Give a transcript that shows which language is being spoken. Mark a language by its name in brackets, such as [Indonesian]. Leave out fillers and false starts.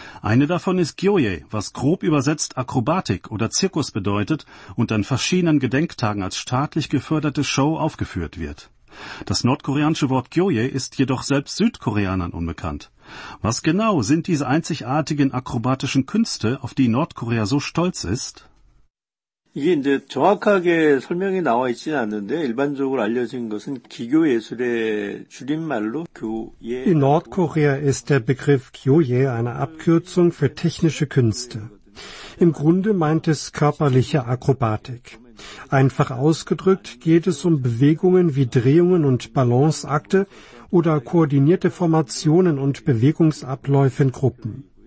[German] Eine davon ist Gyoje, was grob übersetzt Akrobatik oder Zirkus bedeutet und an verschiedenen Gedenktagen als staatlich geförderte Show aufgeführt wird. Das nordkoreanische Wort Gyoje ist jedoch selbst Südkoreanern unbekannt. Was genau sind diese einzigartigen akrobatischen Künste, auf die Nordkorea so stolz ist? [Korean] 이게 이제 정확하게 설명이 나와 있지는 않는데 일반적으로 알려진 것은 기교 예술의 줄임말로 교예. [German] In Nordkorea ist der Begriff Gyoye eine Abkürzung für technische Künste. Im Grunde meint es körperliche Akrobatik. Einfach ausgedrückt geht es um Bewegungen wie Drehungen und Balanceakte oder koordinierte Formationen und Bewegungsabläufe in Gruppen.